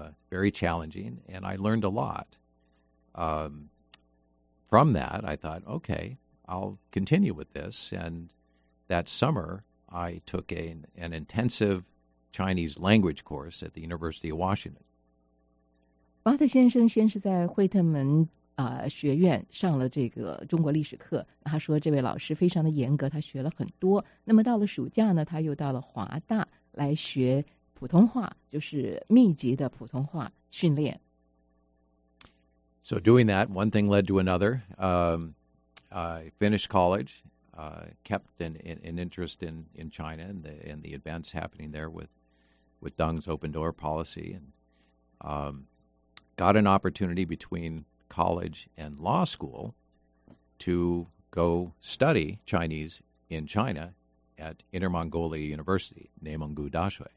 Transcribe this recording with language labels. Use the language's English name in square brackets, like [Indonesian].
[English] Very challenging, and I learned a lot. From that, I thought, okay, I'll continue with this. And that summer, I took an intensive Chinese language course at the University of Washington. [Chinese] 巴特先生先是在惠特门学院上了这个中国历史课，他说这位老师非常的严格，他学了很多。那么到了暑假呢，他又到了华大来学普通话，就是密集的普通话训练。 [English] So doing that, one thing led to another. I finished college, kept an interest in China and the events happening there with Deng's open door policy, and got an opportunity between college and law school to go study Chinese in China at Inner Mongolia University, Neimenggu Dashui.